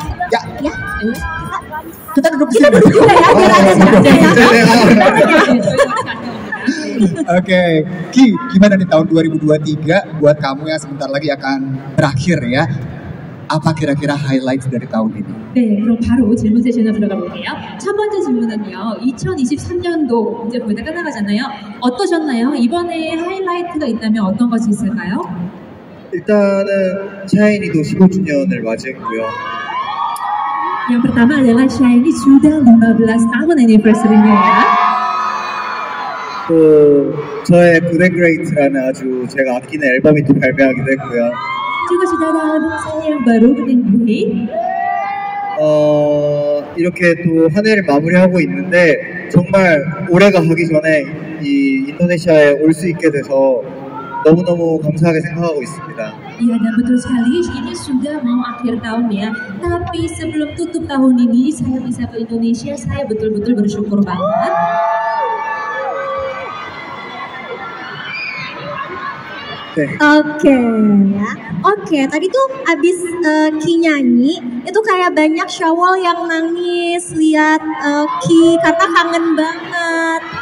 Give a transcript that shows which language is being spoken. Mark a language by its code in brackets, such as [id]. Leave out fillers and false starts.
[id] Ya. Ya. Kita duduk di sini. Kita duduk juga ya. Biar ada sejarah. Oke, Ki, gimana di tahun 2023 buat kamu yang sebentar lagi akan berakhir ya? Apa kira-kira highlight dari tahun ini? [ko] 네, 그럼 바로 질문 세션에 들어가 볼게요. 첫 번째 질문은요. 2023년도 이제 거의 다 끝나가잖아요. 어떠셨나요? 이번에 하이라이트가 있다면 어떤 것이 있을까요? 일단은 샤이니도 15주년을 맞이했고요. [id] Yang pertama adalah Shiny sudah 15 tahun anniversary-nya ya. [ko] 또 저의 Good and Great라는 아주 제가 아끼는 앨범이 또 발매하기도 했고요. 제가 주다라는 생일 바로 Good and Great. 이렇게 또 한 해를 마무리하고 있는데 정말 올해가 가기 전에 이 인도네시아에 올 수 있게 돼서 너무너무 감사하게 생각하고 있습니다. [id] 이야, 네, betul sekali. Ini sudah mau akhir tahun ya. Tapi sebelum tutup tahun ini saya bisa ke Indonesia, saya betul-betul bersyukur banget. Oke, okay. Tadi tuh abis Ki nyanyi, itu kayak banyak Syawal yang nangis lihat Ki karena kangen banget.